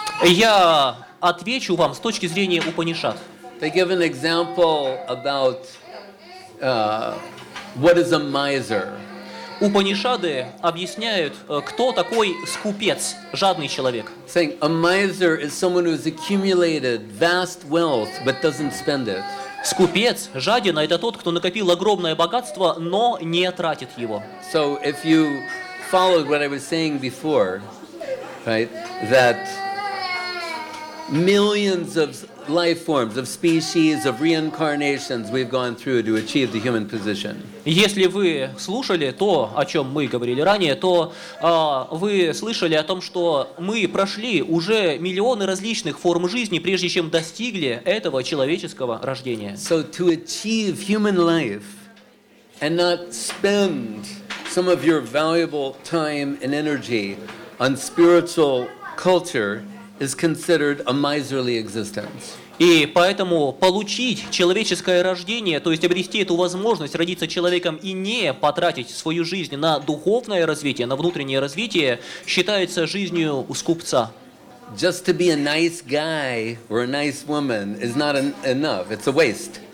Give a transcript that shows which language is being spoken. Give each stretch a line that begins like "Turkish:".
Russian: Я отвечу вам с точки зрения Упанишад.
English: They give an example about what is a miser.
Russian: Упанишады объясняют, кто такой скупец, жадный человек.
English: Saying a miser is someone who has accumulated vast wealth but doesn't spend it.
Russian: Скупец, жаден, это тот, кто накопил огромное богатство, но не тратит его.
English: So if you followed what I was saying before, right, that millions of life forms, of species, of reincarnations we've gone through to achieve the human position.
Russian: Если вы слушали то, о чем мы говорили ранее, то вы слышали о том, что мы прошли уже миллионы различных форм жизни, прежде чем достигли этого человеческого рождения.
English: So to achieve human life and not spend some of your valuable time and energy on spiritual culture is considered a miserly existence.
Russian: И поэтому получить человеческое рождение, то есть обрести эту возможность родиться человеком и не потратить свою жизнь на духовное развитие, на внутреннее развитие, считается жизнью скупца.
English: Just to be a nice guy or a nice woman is not enough. It's a waste.